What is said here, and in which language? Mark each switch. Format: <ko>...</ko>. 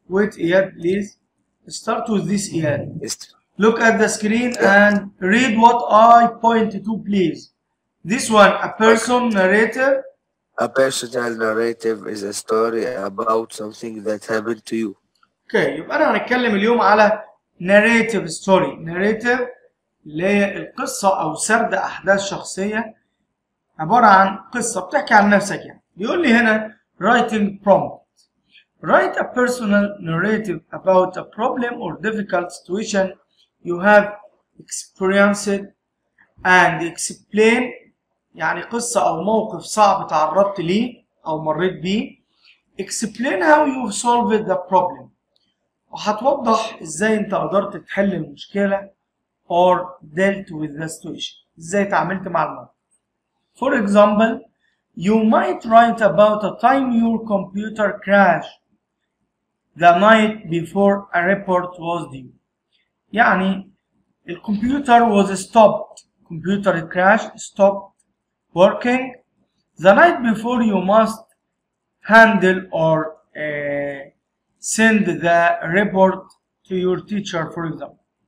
<en>Wait, yeah, please. Start with this, yeah. Look at the screen and read what I point to, please. This one, a person narrative. A personal narrative is a story about something that happened to you.</en> <ar>Okay, يبقى أنا هنتكلم اليوم على</ar> <en>narrative story.</en> <ar>Narrative اللي هي القصة أو سرد أحداث شخصية عبارة عن قصة بتحكي عن نفسك يعني. بيقول لي هنا writing prompt.</ar> <en>Write a personal narrative about a problem or difficult situation you have experienced and explain</en> <ar>يعني قصة أو موقف صعب تعرضت ليه أو مريت بيه.</ar> <en>Explain how you've solved the problem.</en> <ar>وهتوضح ازاي انت قدرت تحل المشكله</ar> <en>or dealt with the situation،</en> <ar>ازاي تعاملت مع الموقف.</ar> <en>For example, you might write about a time your computer crashed the night before a report was due.</en> <ar>يعني الكمبيوتر</ar> <en>was stopped، computer crashed, stopped working the night before you must handle or send the report to your teacher, for example.</en>